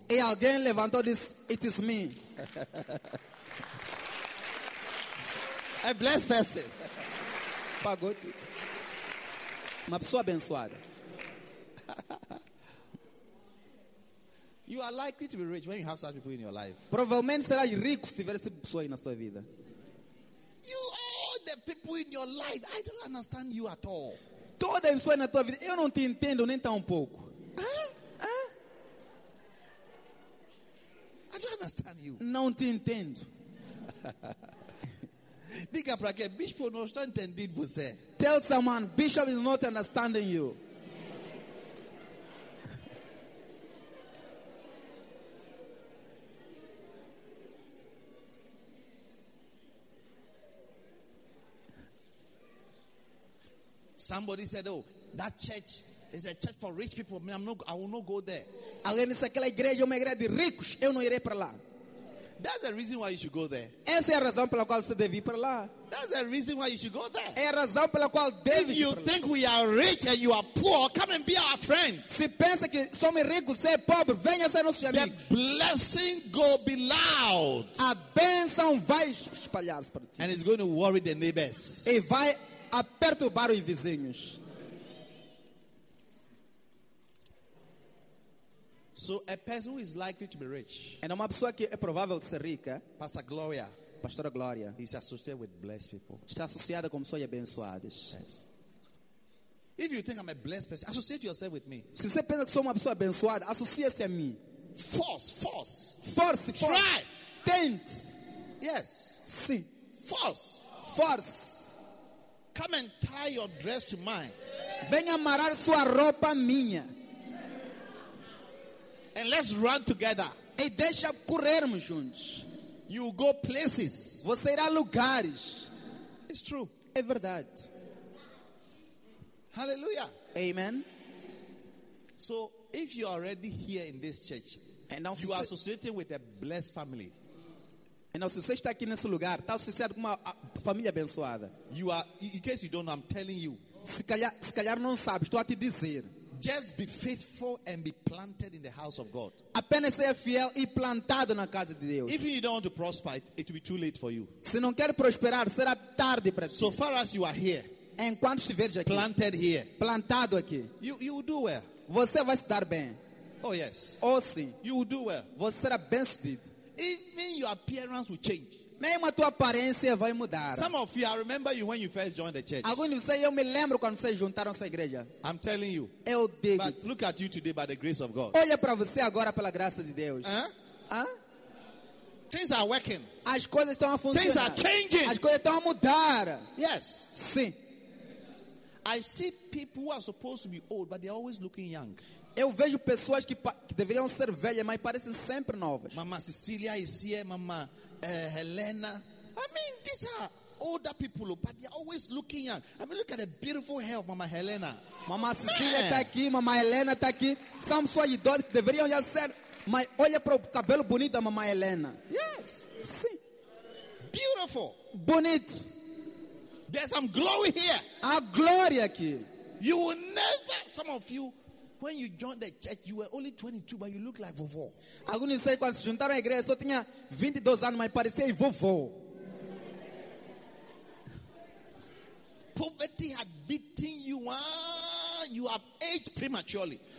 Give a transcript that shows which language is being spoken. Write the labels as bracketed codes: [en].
[pt] E alguém levantou, [en] this, it is me. A blessed person. [pt] Pagou. Uma pessoa abençoada. [en] You are likely to be rich when you have such people in your life. [pt] Provavelmente serás rico se tiveres essas pessoas na sua vida. [en] You all the people in your life, I don't understand you at all. [pt] Todas as pessoas na tua vida, eu não te entendo nem tão pouco. [en] I don't understand you. [pt] Não te entendo. Diga para que bispo não está entendendo você. [en] Tell someone, bishop is not understanding you. Somebody said, "Oh, that church is a church for rich people. I will not go there." [pt] Alguém disse, aquela igreja é uma igreja de ricos. Eu não irei para lá. [en] That's the reason why you should go there. [pt] Essa é a razão pela qual você deve ir para lá. [en] That's the reason why you should go there. [pt] É a razão pela qual deve ir para lá. [en] If you think we are rich and you are poor, come and be our friend. [pt] Se pensa que somos ricos, você é pobre, venha ser nosso amigo. [en] The blessing go be loud. [pt] A bênção vai espalhar-se para ti. [en] And it's going to worry the neighbors. [pt] E vai aperturbar os vizinhos. [en] So a person who is likely to be rich. [pt] É uma pessoa que é provável ser rica. [en] Pastor Gloria. [pt] Pastora Gloria. [en] Is associated with blessed people. [pt] Está associada com pessoas abençoadas. [en] Yes. If you think I'm a blessed person, associate yourself with me. [pt] Se você pensa que sou uma pessoa abençoada, associe-se a mim. [en] Force. Try. Tent. Yes. [pt] Sim. [en] Force. Come and tie your dress to mine. [pt] Venha amarrar sua roupa minha. [en] And let's run together. [pt] E deixa corrermos juntos. [en] You will go places. [pt] Você irá lugares. [en] It's true. [pt] É verdade. [en] Hallelujah. Amen. So, if you are already here in this church, and now you are associating with a blessed family. And now, [pt] se você está aqui nesse lugar, está associado com uma família abençoada. [en] You are, in case you don't know, I'm telling you. [pt] Se calhar não sabe, estou a te dizer. [en] Just be faithful and be planted in the house of God. [pt] Apenas seja fiel e plantado na casa de Deus. [en] If you don't want to prosper, it will be too late for you. [pt] Se não quer prosperar, será tarde para ti. [en] So far as you are here. [pt] Enquanto estiveres aqui. [en] Planted here. [pt] Plantado aqui. [en] You will do well. [pt] Você vai se dar bem. [en] Oh yes. [pt] Oh sim. [en] You will do well. [pt] Você será bem sucedido. [en] Even your appearance will change. [pt] Mesmo a tua aparência vai mudar. [en] Some of you, I remember you when you first joined the church. [pt] Alguns de vocês, eu me lembro quando vocês juntaram essa igreja. [en] I'm telling you. [pt] Eu digo. [en] But look at you today by the grace of God. [pt] Olha para você agora pela graça de Deus. [en] Things are working. [pt] As coisas estão a funcionar. [en] Things are changing. [pt] As coisas estão a mudar. [en] Yes. [pt] Sim. [en] I see people who are supposed to be old, but they're always looking young. [pt] Eu vejo pessoas que deveriam ser velhas, mas parecem sempre novas. [en] Mama Cecilia is here, Mama Helena. I mean, these are older people, but they're always looking young. I mean, look at the beautiful hair of Mama Helena. [pt] Mama Cecilia está aqui, Mama Helena está aqui. São pessoas idosas que deveriam já ser, mas olha para o cabelo bonito da Mama Helena. [en] Yes. [pt] Sim. [en] Beautiful. [pt] Bonito. [en] There's some glory here. [pt] A glória aqui. [en] You will never, some of you, when you joined the church, you were only 22, but you look like vovô. [pt] Alguns dizem quando se juntaram à igreja, só tinha 22 anos, mas parecia vovô. [en] Poverty had beaten you, you have aged prematurely.